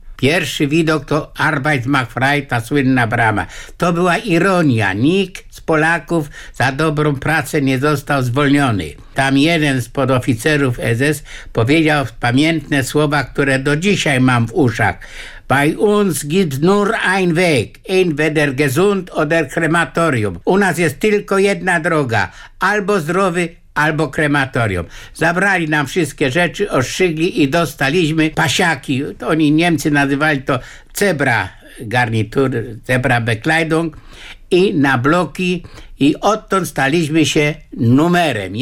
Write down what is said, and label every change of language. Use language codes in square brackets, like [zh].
[pl] Pierwszy widok to Arbeitsmachfrei, ta słynna brama. To była ironia. Nikt z Polaków za dobrą pracę nie został zwolniony. Tam jeden z podoficerów SS powiedział pamiętne słowa, które do dzisiaj mam w uszach. [de] Bei uns gibt nur ein Weg, entweder gesund oder krematorium. [pl] U nas jest tylko jedna droga, albo zdrowy, albo krematorium. Zabrali nam wszystkie rzeczy, ostrzygli i dostaliśmy pasiaki. To oni, Niemcy, nazywali to zebra garnitur, zebra bekleidung, i na bloki, i odtąd staliśmy się numerem.